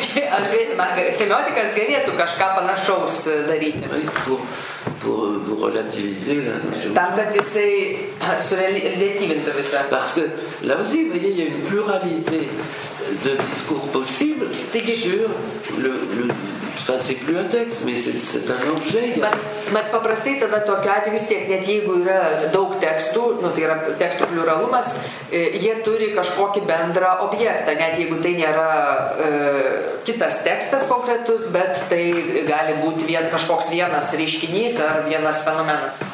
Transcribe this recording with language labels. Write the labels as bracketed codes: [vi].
[lt] Semiotikas galėtų kažką panašaus daryti. [fr] Pour relativiser la notion. [lt] Tam, kad jisai surelativintų visą. [fr] Parce que là aussi, vous voyez, il y a une pluralité de discours possible sur le... Enfin, c'est plus un texte, mais c'est un objet. [lt] Bet paprastai tada tokiu atveju vis tiek, net jeigu yra daug tekstų, nu, tai yra tekstų pluralumas, jie turi kažkokį bendrą objektą, net jeigu tai nėra kitas tekstas konkretus, bet tai gali būti kažkoks vienas reiškinys ar vienas fenomenas.